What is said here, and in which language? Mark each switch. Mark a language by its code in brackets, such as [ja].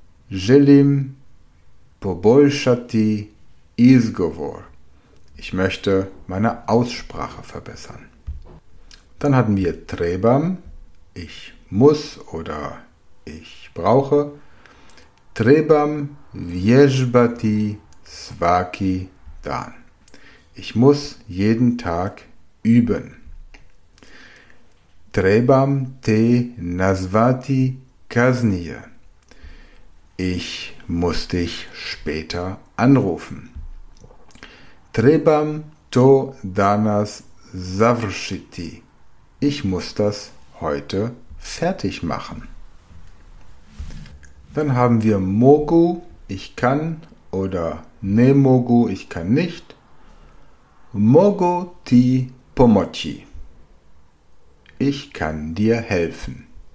[hr] Želim poboljšati izgovor. [de] Ich möchte meine Aussprache verbessern. Dann hatten wir trebam. Ich muss oder ich brauche. [hr] Trebam vježbati svaki dan. [de] Ich muss jeden Tag üben. [hr] Trebam te nazvati kaznije. [de] Ich muss dich später anrufen. [hr] Trebam to danas završiti. [de] Ich muss das heute fertig machen. Dann haben wir mogu, ich kann, oder ne mogu, ich kann nicht. [hr] Mogu ti pomoći. [de] Ich kann dir helfen.